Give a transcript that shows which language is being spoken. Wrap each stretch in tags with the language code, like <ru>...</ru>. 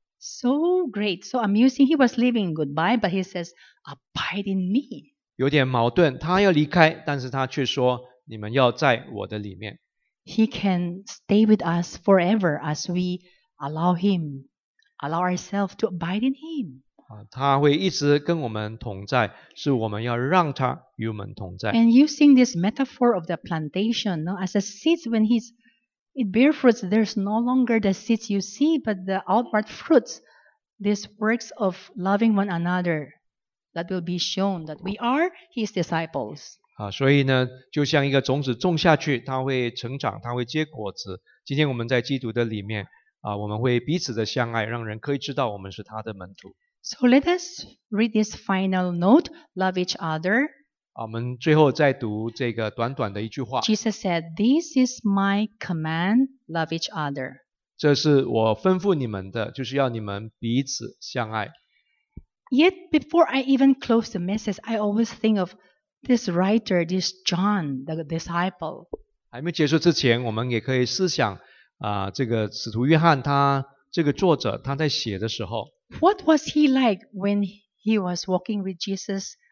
<en>So great, so amusing. He was leaving goodbye, but he says, "Abide in me."</en> <zh>有点矛盾，他要离开，但是他却说，你们要在我的里面。</zh> <en>He can stay with us forever as we allow him, allow ourselves to abide in him.</en> <zh>他会一直跟我们同在，是我们要让他与我们同在。</zh> <en>And using this metaphor of the plantation, no, as a seed when he'sIt bears fruits, there's no longer the seeds you see, but the outward fruits, these works of loving one another, that will be shown that we are his disciples.</en> <zh>所以呢，就像一个种子种下去，它会成长，它会结果子。今天我们在基督的里面，我们会彼此的相爱，让人可以知道我们是他的门徒。</zh> <en>So let us read this final note, love each other.</en> <zh>我们最后再读这个短短的一句话。</zh> <en>Jesus said, "This is my command: love each other."</en> <zh>这是我吩咐你们的，就是要你们彼此相爱。</zh> <en>Yet before I even close the message, I always think of this writer, this John, the disciple.</en> <zh>还没结束之前，我们也可以思想这个使徒约翰他这个作者他在写的时候。</zh> <en>What was he like when he was walking with Jesus?</en>